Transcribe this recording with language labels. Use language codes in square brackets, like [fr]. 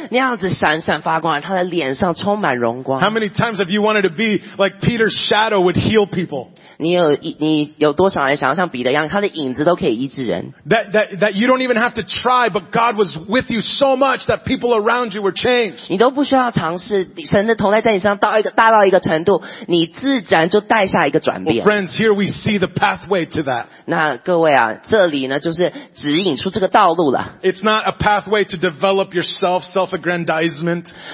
[zh] 而就是那一次的相遇，使他成为一个那样子闪闪发光，他的脸上充满荣光。 [en] How many times have you wanted to be like Peter's shadow would heal people? [zh] 你有多少人想要像彼得一样，他的影子都可以医治人？ [en] That you don't even have to try, but God was with you so much that people around you were changed. [zh] 你都不需要尝试，神的同在在你身上到一个大到一个程度，你自然就带下一个转变。 [en] Well, friends, here we see the pathway to that. [zh] 那各位啊，这里呢就是指引出这个道路了。 [en] It's not a pathway to develop yourself, self-aggrandizement.